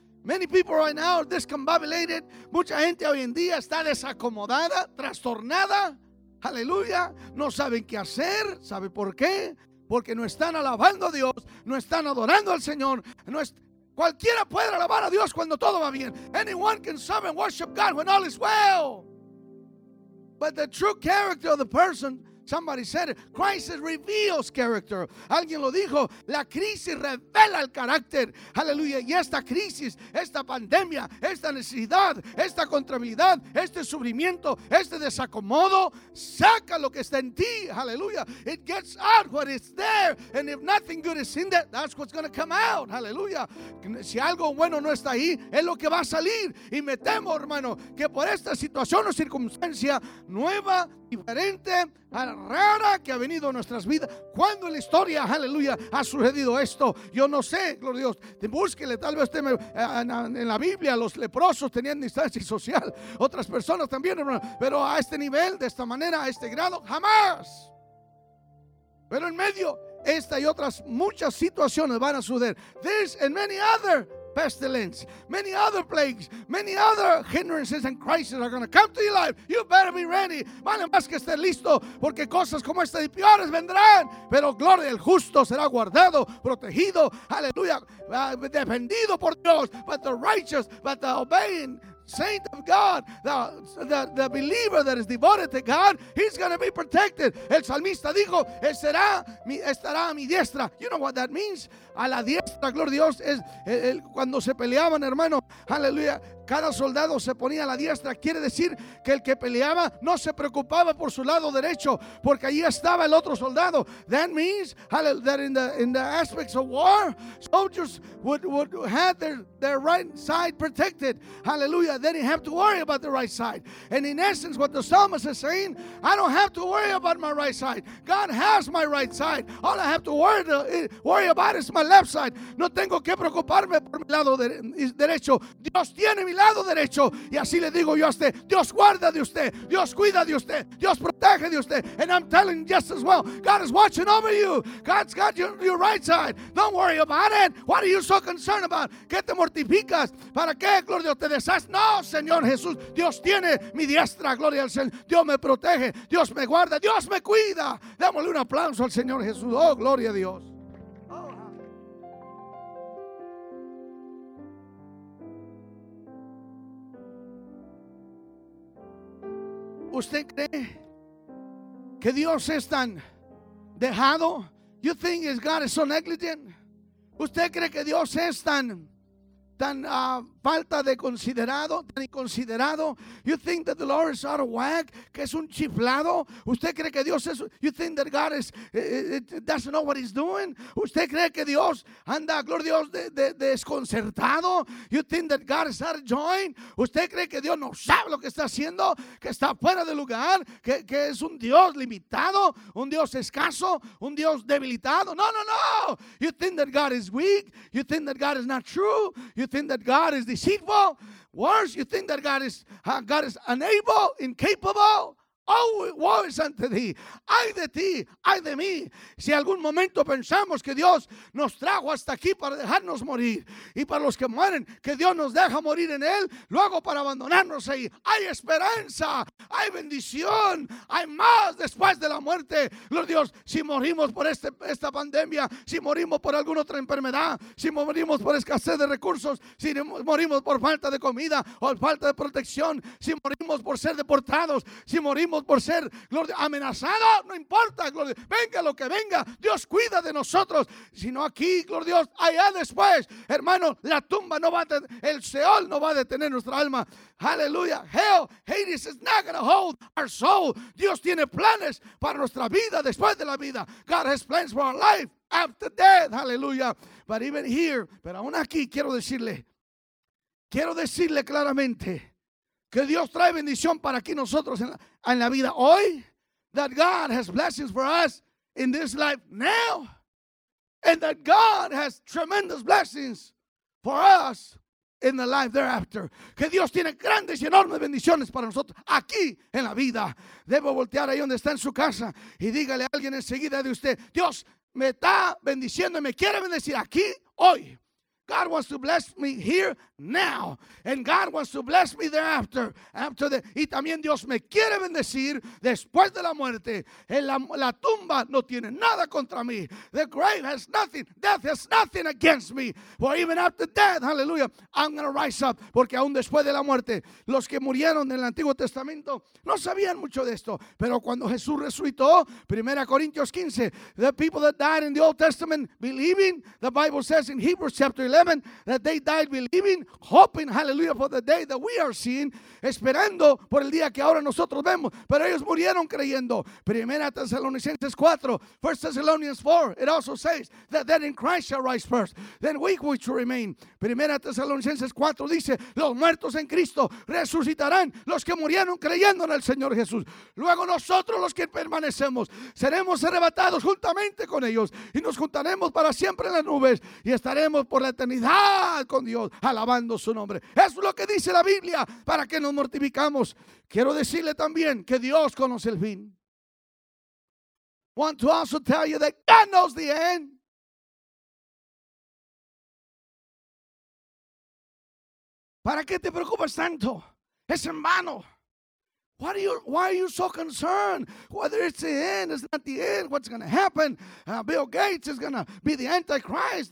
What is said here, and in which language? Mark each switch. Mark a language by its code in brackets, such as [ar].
[en] Many people right now are discombobulated. [es] Mucha gente hoy en día está desacomodada, trastornada. Aleluya. No saben qué hacer. ¿Sabe por qué? Porque no están alabando a Dios. No están adorando al Señor. No es, cualquiera puede alabar a Dios cuando todo va bien. [en] Anyone can serve and worship God when all is well. But the true character of the person, somebody said it, crisis reveals character. [es] Alguien lo dijo, la crisis revela el carácter. Aleluya. Y esta crisis, esta pandemia, esta necesidad, esta contrariedad, este sufrimiento, este desacomodo, saca lo que está en ti. [en] Aleluya. It gets out what is there. And if nothing good is in there, that's what's going to come out. [es] Aleluya. Si algo bueno no está ahí, es lo que va a salir. Y me temo, hermano, que por esta situación o circunstancia nueva, diferente, rara que ha venido a nuestras vidas. ¿Cuándo en la historia, aleluya, ha sucedido esto? Yo no sé, gloria a Dios. Búsquele, tal vez usted me, en la Biblia los leprosos tenían distancia social. Otras personas también, hermano. Pero a este nivel, de esta manera, a este grado, jamás. Pero en medio, esta y otras muchas situaciones van a suceder. [en] This and many other pestilence, many other plagues, many other hindrances and crises are going to come to your life. You better be ready. [es] Vale más que esté listo, porque cosas como estas y peores vendrán. Pero gloria, el justo será guardado, protegido, aleluya, defendido por Dios. [en] But the righteous, but the obeying saint of God, the believer that is devoted to God, he's going to be protected. [es] El salmista dijo, estará a mi diestra. [en] You know what that means? [es] A la diestra, gloria a Dios, es el cuando se peleaban, hermano, aleluya, cada soldado se ponía a la diestra. Quiere decir que el que peleaba no se preocupaba por su lado derecho, porque allí estaba el otro soldado. [en] That means that in the aspects of war, soldiers would have their right side protected. Hallelujah. They didn't have to worry about the right side. And in essence, what the psalmist is saying, I don't have to worry about my right side. God has my right side. All I have to worry about is my left side. [es] No tengo que preocuparme por mi lado derecho. Dios tiene mi lado derecho. Y así le digo yo a usted, Dios guarda de usted, Dios cuida de usted, Dios protege de usted. [en] And I'm telling just as well, God is watching over you. God's got your right side. Don't worry about it. What are you so concerned about? [es] ¿Qué te mortificas? ¿Para qué, gloria a Dios, te deshaces? No, Señor Jesús, Dios tiene mi diestra, gloria al Señor. Dios me protege, Dios me guarda, Dios me cuida. Démosle un aplauso al Señor Jesús. Oh, gloria a Dios. ¿Usted cree que Dios es tan dejado? [en] You think God is so negligent? [es] ¿Usted cree que Dios es tan falta de considerado, tan inconsiderado? [en] You think that the Lord is out of whack, [es] que es un chiflado? ¿Usted cree que Dios es, [en] you think that God is, doesn't know what he's doing? [es] ¿Usted cree que Dios anda, gloria a Dios, desconcertado? [en] You think that God is out of joint? [es] ¿Usted cree que Dios no sabe lo que está haciendo, que está fuera de lugar, que es un Dios limitado, un Dios escaso, un Dios debilitado? [en] No, no, no. You think that God is weak? You think that God is not true? You think that God is deceitful? Worse, you think that God is unable, incapable? Oh, woe is unto thee. [es] Ay de ti, ay de mí. Si algún momento pensamos que Dios nos trajo hasta aquí para dejarnos morir, y para los que mueren, que Dios nos deja morir en él, luego para abandonarnos ahí. Hay esperanza, hay bendición, hay más después de la muerte. Gloria a Dios, si morimos por esta pandemia, si morimos por alguna otra enfermedad, si morimos por escasez de recursos, si morimos por falta de comida o falta de protección, si morimos por ser deportados, si morimos por ser, gloria, amenazado, no importa, gloria, venga lo que venga, Dios cuida de nosotros. Si no aquí, gloria a Dios, allá después, hermano, la tumba no va a tener, el Seol no va a detener nuestra alma. Aleluya. [en] Hell, Hades is not going to hold our soul. [es] Dios tiene planes para nuestra vida después de la vida. [en] God has plans for our life after death. [es] Aleluya. [en] But even here, [es] pero aún aquí quiero decirle claramente que Dios trae bendición para aquí nosotros en la vida hoy. [en] That God has blessings for us in this life now. And that God has tremendous blessings for us in the life thereafter. [es] Que Dios tiene grandes y enormes bendiciones para nosotros aquí en la vida. Debo voltear ahí donde está en su casa y dígale a alguien enseguida de usted, Dios me está bendiciendo y me quiere bendecir aquí hoy. [en] God wants to bless me here now. And God wants to bless me thereafter. [es] Y también Dios me quiere bendecir después de la muerte. La tumba no tiene nada contra mí. [en] The grave has nothing. Death has nothing against me. For even after death, hallelujah, I'm going to rise up. [es] Porque aún después de la muerte, los que murieron en el Antiguo Testamento no sabían mucho de esto. Pero cuando Jesús resucitó, 1 Corintios 15, [en] the people that died in the Old Testament believing, the Bible says in Hebrews chapter 11, heaven that they died believing, hoping, hallelujah, for the day that we are seeing, [es] esperando por el día que ahora nosotros vemos. Pero ellos murieron creyendo. [en] Primera Tesalonicenses 4, 1 Thessalonians 4, it also says that then in Christ shall rise first, then we which remain. [es] Primera Tesalonicenses 4 dice, los muertos en Cristo resucitarán, los que murieron creyendo en el Señor Jesús. Luego nosotros los que permanecemos seremos arrebatados juntamente con ellos y nos juntaremos para siempre en las nubes y estaremos por la eternidad con Dios alabando su nombre. Eso es lo que dice la Biblia. ¿Para qué nos mortificamos? Quiero decirle también que Dios conoce el fin. [en] Want to also tell you that God knows the end. [es] ¿Para qué te preocupas tanto? Es en vano. [en] Why are you so concerned? Whether it's the end, it's not the end. What's going to happen? Bill Gates is going to be the Antichrist.